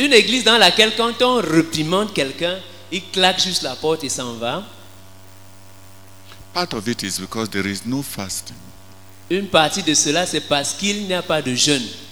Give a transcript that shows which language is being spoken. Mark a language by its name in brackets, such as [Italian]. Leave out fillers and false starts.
[French] Une église dans laquelle quand on réprimande quelqu'un, il claque juste la porte et s'en va. [English] Part of it is because there is no fasting. [French] Une partie de cela, c'est parce qu'il n'y a pas de jeûne.